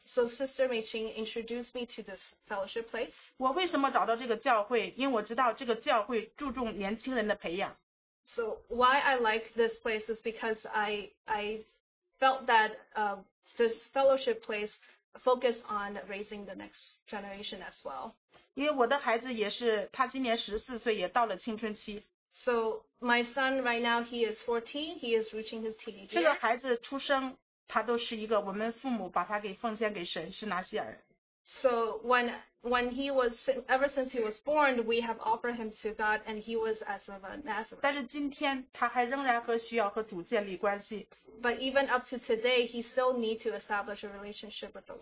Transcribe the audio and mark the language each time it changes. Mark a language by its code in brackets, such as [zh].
[en] So Sister Meiqing introduced me to this fellowship place. [zh] 我为什么找到这个教会?因为我知道这个教会注重年轻人的培养。 [en] So why I like this place is because I felt that this fellowship place focused on raising the next generation as well. [zh] 因为我的孩子也是, 他今年14岁, 也到了青春期。 [en] So my son right now, he is 14, he is reaching his teenage year. [zh] 这个孩子出生, 他都是一个, 我们父母把他给奉献给神, 是拿西尔。 [en] So when he was, ever since he was born, we have offered him to God, and he was as of a Nazarene. [zh] 但是今天他还仍然和需要和主建立关系。 [en] But even up to today, he still needs to establish a relationship with the Lord.